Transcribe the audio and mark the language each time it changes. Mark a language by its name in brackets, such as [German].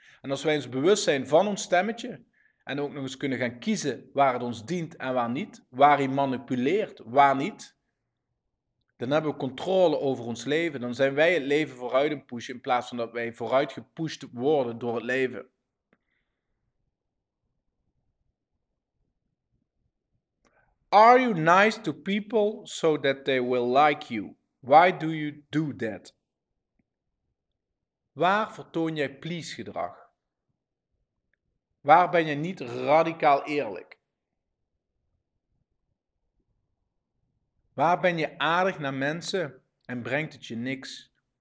[Dutch] En als wij ons bewust zijn van ons stemmetje, en ook nog eens kunnen gaan kiezen waar het ons dient en waar niet, waar hij manipuleert, waar niet, dan hebben we controle over ons leven. Dan zijn wij het leven vooruit een pushen, in plaats van dat wij vooruit gepusht worden door het leven. [English] Are you nice to people so that they will like you? Why do you do that? [Dutch] Waar vertoon jij please gedrag? Waar ben je niet radicaal eerlijk? Waar ben je aardig naar mensen en brengt het je niks?